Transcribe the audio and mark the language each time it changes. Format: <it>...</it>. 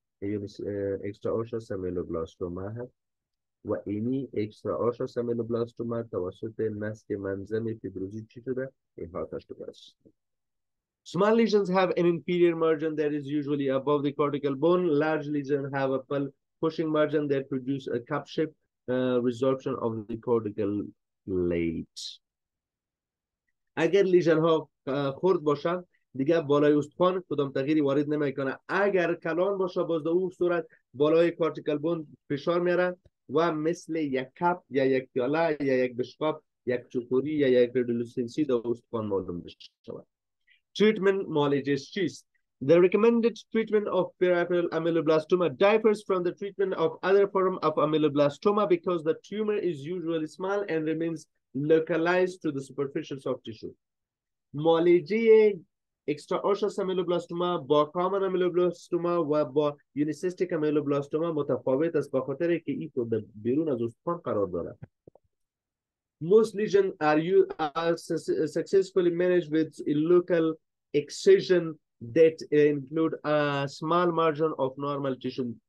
<fa>این اکسترا آشوس امیلوبلاستوما هست و اینی اکسترا آشوس امیلوبلاستوما توسط نسج منظم فیبروزی چی شده؟ احاطه شده است.</fa> <en>Small lesions have an inferior margin that is usually above the cortical bone. Large lesions have a pushing margin that produce a cup-shaped resorption of the cortical plate.</en> <fa>اگر لیژن ها خرد باشند دیگه بالای استخوان کدام تغییری وارد نمیکنه. اگر کلان باشه باز در اون صورت بالای کارتیکال بوند فشار میاره و مثل یک کپ یا یک پیاله یا یک بشقاب یک چطوری یا یک ریدولوسنسی در استخوان معلوم بشود. تریتمنت مالجش چیست؟</fa> <en>The recommended treatment of periapical ameloblastoma differs from the treatment of other form of ameloblastoma because the tumor is usually small and remains localized to the superficial soft tissue.</en> <fa>معالجه extraosseous ameloblastoma با common ameloblastoma و با unicystic ameloblastoma متفاوت است بخاطر که این تو بیرون از استخوان قرار دارد.</fa> <en>Most lesions are successfully managed with a local excision that include a small margin of normal tissue.</en>